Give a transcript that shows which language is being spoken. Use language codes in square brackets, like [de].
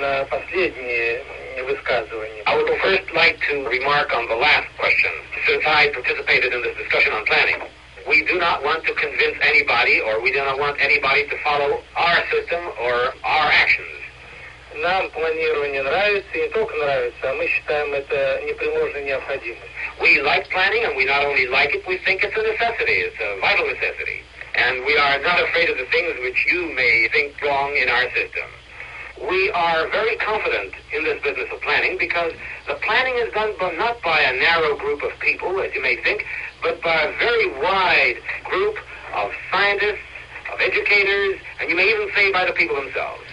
[en] I would first like to remark on the last question, since I participated in this discussion on planning. We do not want to convince anybody, or we do not want anybody to follow our system or our actions. [ru] Нам планирование нравится, и не только нравится, а мы считаем это непреложной необходимостью. [en] We like planning, and we not only like it, we think it's a necessity, it's a vital necessity. And we are not afraid of the things which you may think wrong in our system. We are very confident in this business of planning, because the planning is done not by a narrow group of people, as you may think, but by a very wide group of scientists, of educators, and you may even say by the people themselves.